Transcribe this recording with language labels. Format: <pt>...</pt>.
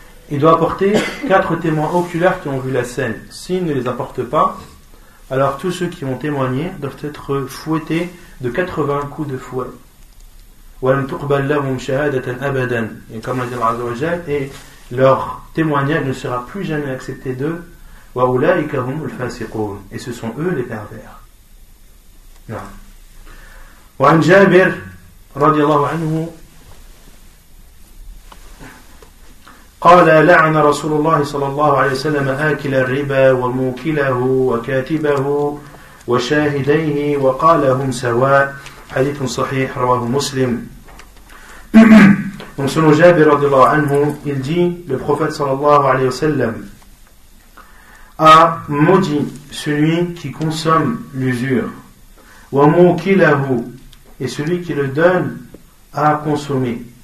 <fr>Il doit apporter 4 témoins oculaires qui ont vu la scène. S'il ne les apporte pas, alors tous ceux qui ont témoigné doivent être fouettés de 80 coups de fouet.</fr> <ar>وَلَمْ تُقْبَلْ لَهُمْ شَهَادَةً أَبَدًا.</ar> <fr>Et comme l'a dit Allah Azza wa Jal, et leur témoignage ne sera plus jamais accepté d'eux.</fr> <ar>وَأُولَٰئِكَ هُمُ الْفَاسِقُونَ.</ar> <fr>Et ce sont eux les pervers.</fr> <ar>وعن جابر رضي الله عنه قال لعن رسول الله صلى الله عليه وسلم آكل الربا وموكله وكاتبه وشاهديه وقال هم سواء. حديث صحيح رواه مسلم.</ar> <fr>Donc selon Jabir radiallahu anhu, il dit, le prophète sallallahu alayhi wa sallam a maudit celui qui consomme l'usure,</fr> <ar>wa mukilahu,</ar> <fr>et celui qui le donne à consommer.</fr>